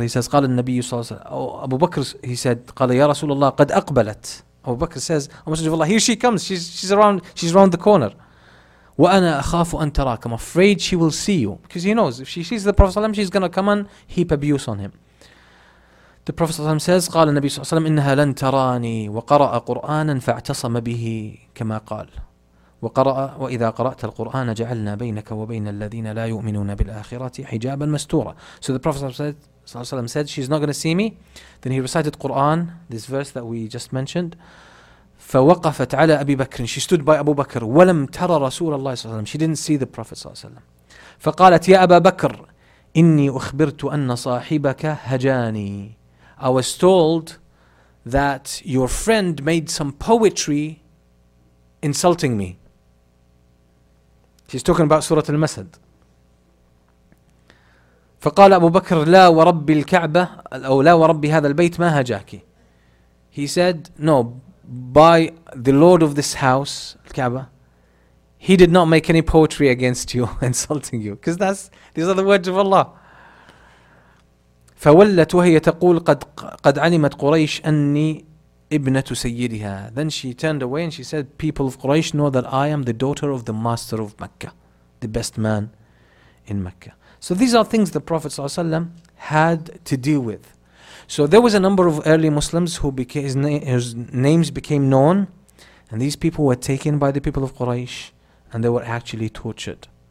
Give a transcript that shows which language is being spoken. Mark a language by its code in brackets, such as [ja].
[ar] He says, قَالَ النَّبِيُّ صَلَّى اللَّهُ عَلَيْهِ وَسَلَّمَ. [en] Abu Bakr, he said, [ar] قَالَ يَا رَسُولَ اللَّهِ قَدْ أَقْبَلَتْ. [en] Abu Bakr says, O Messenger of Allah, here she comes. She's around the corner. [ar] وَأَنَا أَخَافُ أَن تَرَاكَ. [en] I'm afraid she will see you. Because he knows, if she sees the Prophet ﷺ, she's going to come and heap abuse on him. The Prophet ﷺ says, [ar] قَالَ النَّبِي صَلَّى اللَّهُ عَلَيْهِ وَسَلَّمَ إِنَّهَا لَن تَرَانِي وَقَرَأَ قُرْآنًا فَاعْتَصَمَ بِهِ كَمَا قَالَ وَقَرَأَ وَإِذَا قَرَأْتَ الْقُرْآنَ جَعَلْنَا بَيْنَكَ وَبَيْنَ الَّذِينَ لَا يُؤْمِنُونَ بِالْآخِرَةِ حِجَابًا مَسْتُورًا. [en] So the Prophet ﷺ said, she's not going to see me. Then he recited Quran, this verse that we just mentioned. [ar] فوقفت على أبي بكر. [en] She stood by Abu Bakr. [ar] ولم ترى رسول الله صلى الله عليه وسلم. [en] She didn't see the Prophet صلى الله عليه وسلم. [ar] فقالت يا أبا بكر إني أخبرت أن صاحبك هجاني. [en] I was told that your friend made some poetry insulting me. She's talking about Surah Al-Masad. [ar] فقال أبو بكر لا ورب الكعبة أو لا ورب هذا البيت ما هجاك. [en] He said, no, by the Lord of this house, Kaaba, he did not make any poetry against you, insulting you. Because these are the words of Allah. [ar] فولت وهي تقول قد علمت قريش أني ابنة سيدها. [en] Then she turned away and she said, people of Quraysh know that I am the daughter of the master of Mecca, the best man in Mecca. So these are things the Prophet ﷺ had to deal with. So there was a number of early Muslims who became whose names became known, and these people were taken by the people of Quraysh, and they were actually tortured.